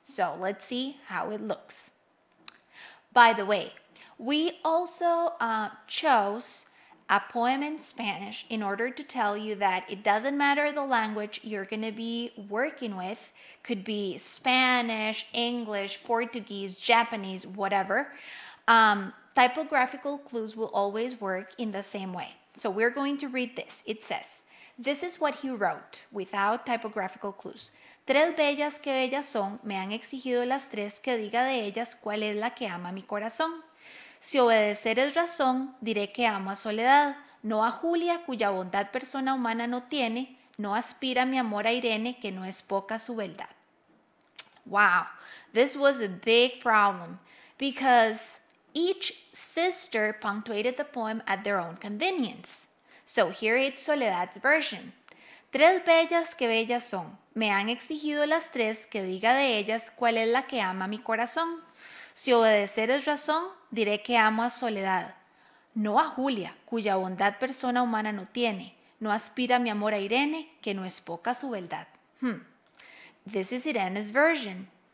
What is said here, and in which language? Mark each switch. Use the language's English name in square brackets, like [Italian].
[English] So let's see how it looks. By the way, we also chose a poem in Spanish in order to tell you that it doesn't matter the language you're going to be working with, could be Spanish, English, Portuguese, Japanese, whatever. Typographical clues will always work in the same way. So we're going to read this. It says, this is what he wrote without typographical clues. [Spanish] Tres bellas que bellas son, me han exigido las tres que diga de ellas cuál es la que ama mi corazón. Si obedecer es razón, diré que amo a Soledad, no a Julia, cuya bondad persona humana no tiene, no aspira mi amor a Irene, que no es poca su beldad. [English] Wow, this was a big problem, because each sister punctuated the poem at their own convenience. So here it's Soledad's version. [Spanish] Tres bellas que bellas son, me han exigido las tres que diga de ellas cuál es la que ama mi corazón. Si obedecer es razón, diré que amo a Soledad, no a Julia, cuya bondad persona humana no tiene. No aspira mi amor a Irene, que no es poca su beldad. [English] This is Irene's version.